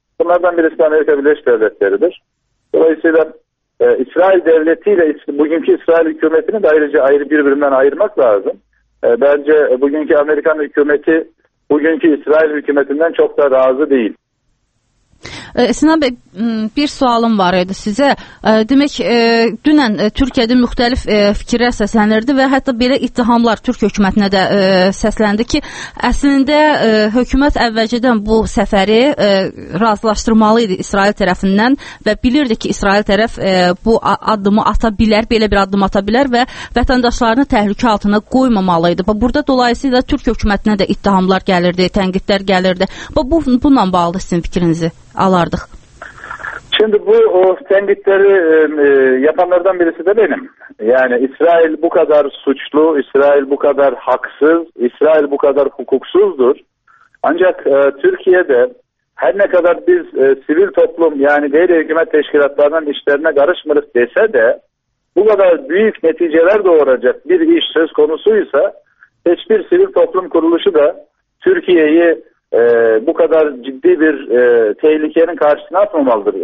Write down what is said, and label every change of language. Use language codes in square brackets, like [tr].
[tr] Bunlardan birisi de Amerika Birleşik Devletleri'dir. Dolayısıyla İsrail devletiyle bugünkü İsrail hükümetini de ayrıca ayrı birbirinden ayırmak lazım. Bence bugünkü Amerikan hükümeti bugünkü İsrail hükümetinden çok da razı değil. [az] Sinan Bey, bir sualım var idi sizə. Demək, dünən Türkiyədə müxtəlif fikirlər səslənirdi və hətta belə ittihamlar Türk hökumətinə də səsləndi ki, əslində hökumət əvvəlcədən bu səfəri razılaşdırmalı idi İsrail tərəfindən və bilirdi ki, İsrail tərəf bu addımı ata bilər, belə bir addım ata bilər və vətəndaşlarını təhlükə altına qoymamalı idi. Burada dolayısıyla Türk hökumətinə də ittihamlar gəlirdi, tənqidlər gəlirdi. Bu bununla bağlı sizin fikrinizi alardık. [tr] Şimdi bu tenkitleri yapanlardan birisi de benim. Yani İsrail bu kadar suçlu, İsrail bu kadar haksız, İsrail bu kadar hukuksuzdur. Ancak Türkiye'de her ne kadar biz sivil toplum yani gayri hükümet teşkilatlarının işlerine karışmırız dese de bu kadar büyük neticeler doğuracak bir iş söz konusuysa hiçbir sivil toplum kuruluşu da Türkiye'yi bu kadar ciddi bir tehlikenin karşısına atmamalıdır.